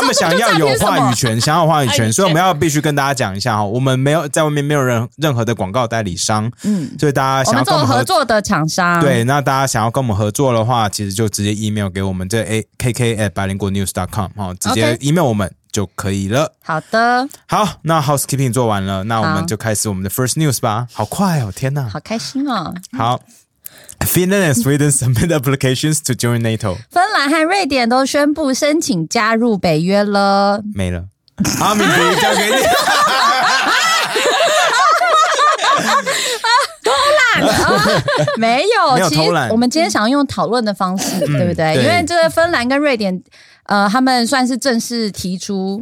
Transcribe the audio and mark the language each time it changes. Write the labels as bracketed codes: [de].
[zh] 他们想要有话语权，想要有话语权，所以我们要必须跟大家讲一下，我们没有在外面没有任何的广告代理商，所以大家想要跟我们做合作的厂商，对，那大家想要跟我们合作的话，其实就直接 email 给我们，这 kk@bilingualnews.com 直接 email 我们就可以了。好的，好，那 housekeeping 做完了，那我们就开始我们的 first news 吧。好快哦，天哪，好开心哦。 [en] 好，Finland and Sweden submit applications to join NATO. [zh] 芬兰和瑞典都宣布申请加入北约了。没了，阿敏迪交给你。没有偷懒。我们今天想要用讨论的方式，对不对？因为这个芬兰跟瑞典，他们算是正式提出